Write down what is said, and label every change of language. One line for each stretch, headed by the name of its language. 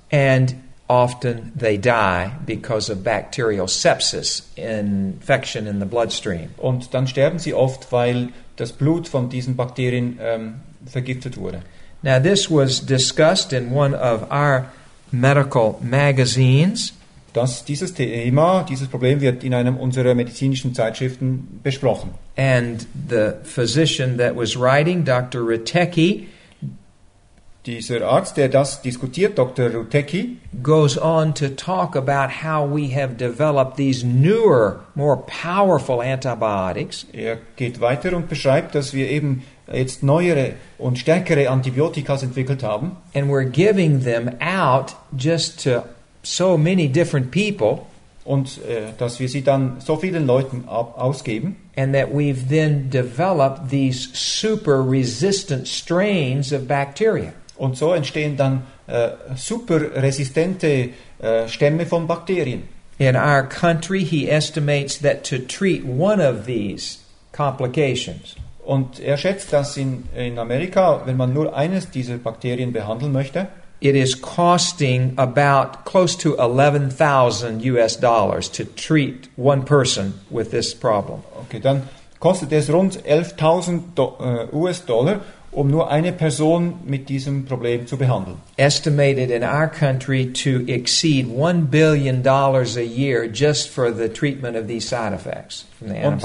English: And often they die because of bacterial sepsis, infection in the bloodstream.
German: Und dann sterben sie oft, weil das Blut von diesen Bakterien vergiftet wurde.
English: Now this was discussed in one of our medical magazines.
German: Dieses Thema, dieses Problem wird in einem unserer medizinischen Zeitschriften besprochen.
English: And the physician that was writing, Dr. Rutecki,
German: dieser Arzt, der das diskutiert, Dr. Rutecki,
English: goes on to talk about how we have developed these newer, more powerful antibiotics.
German: Er geht weiter und beschreibt, dass wir eben jetzt neuere und stärkere Antibiotika entwickelt haben.
English: And we're giving them out just to so many different people,
German: und dass wir sie dann so vielen Leuten ausgeben,
English: and that we've then developed these super resistant strains of bacteria.
German: Und so entstehen dann super resistente Stämme von Bakterien.
English: In our country, he estimates that to treat one of these complications.
German: Und schätzt, dass in Amerika, wenn man nur eines dieser Bakterien behandeln möchte,
English: it is costing about close to $11,000 to treat one person with this problem.
German: Okay, dann kostet es rund 11.000 US-Dollar, um nur eine Person mit diesem Problem zu behandeln.
English: Estimated in our country to exceed $1 billion a year just for the treatment of these side effects from the antibiotics.